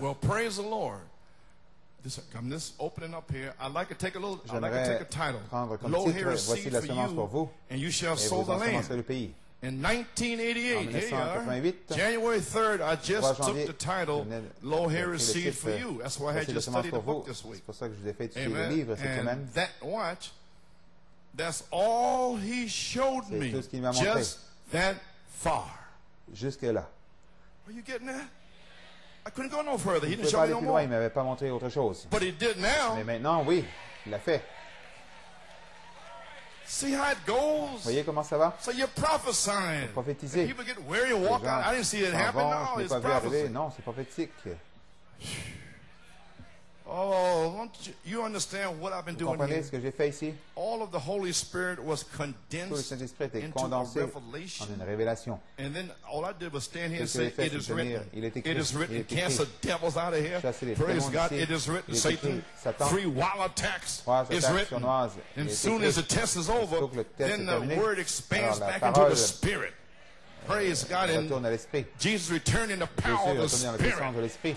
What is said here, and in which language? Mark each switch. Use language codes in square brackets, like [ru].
[en] Well, praise the Lord. I'm opening up here. I'd like to take a little. [fr] J'aimerais [en] I'd like to take a title. Low here, see for you. And you shall sow the land. [fr] Le pays. [en] In 1988, January 3rd, I just took the title Lo Here Is Seed for You. That's why I had just studied the book this week. [fr] C'est pour ça que je vous ai fait étudier le livre cette semaine. [en] That watch, that's all he showed me. [fr] C'est tout ce qu'il m'a montré. [en] Just that far. [fr] Jusque là. [en] Are you getting that? I couldn't go no further. He didn't show me no more. [fr] Il m'avait pas montré autre chose. [en] But he did now. [fr] Mais maintenant, oui, il l'a fait. [en] See how it goes. [fr] Voyez comment ça va? [en] So you're prophesying. [fr] Vous prophétisez. [en] People get weary and walk out. I didn't see it happen. No, it's prophecy. [fr] Non, c'est prophétique. [en] Oh, don't you understand what I've been doing? [fr] Comprenez ce que j'ai fait ici? [en] All of the Holy Spirit was condensed. [fr] Tout le Saint-Esprit était condensé en une révélation. [en] And then all I did was stand here and say, it is written. It is written. Cast the devils out of here. Praise God. It is written. Satan. Three wild attacks. It's written. And soon as the test is over, then the word expands back into the spirit. Praise God, and Jesus returned in the power of the Spirit.